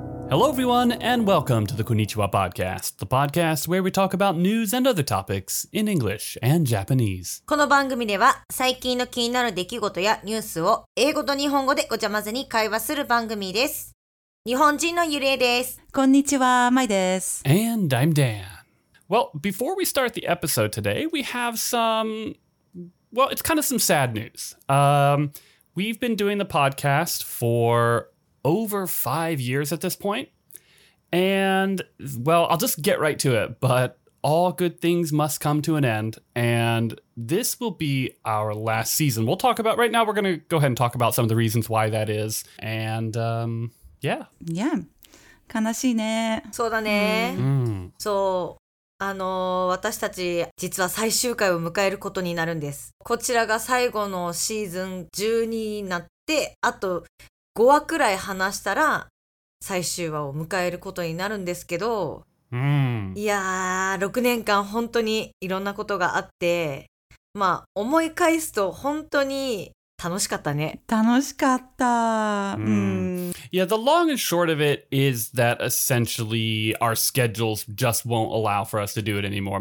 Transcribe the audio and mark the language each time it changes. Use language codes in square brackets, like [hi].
[en] Hello, everyone, and welcome to the Konnichiwa Podcast, the podcast where we talk about news and other topics in English and Japanese. [ja] この番組では最近の気になる出来事やニュースを英語と日本語でごちゃ混ぜに会話する番組です。日本人のゆれです。こんにちは、まいです。 [en] And I'm Dan. Well, before we start the episode today, we have some... Well, it's kind of some sad news. We've been doing the podcast for over 5 years at this point. And, well, I'll just get right to it. But all good things must come to an end. And this will be our last season. We'll talk about... Right now, we're going to go ahead and talk about some of the reasons why that is. And, yeah. [ja] 悲しいね。そうだね。そう。あの、私たち実は最終回を迎えることになるんです。こちらが最後のシーズン12になって、あと5話くらい話したら最終話を迎えることになるんですけど、いやー、6年間本当にいろんなことがあって、まあ思い返すと本当に楽しかったね。楽しかった。 [en] Yeah, the long and short of it is that essentially our schedules just won't allow for us to do it anymore.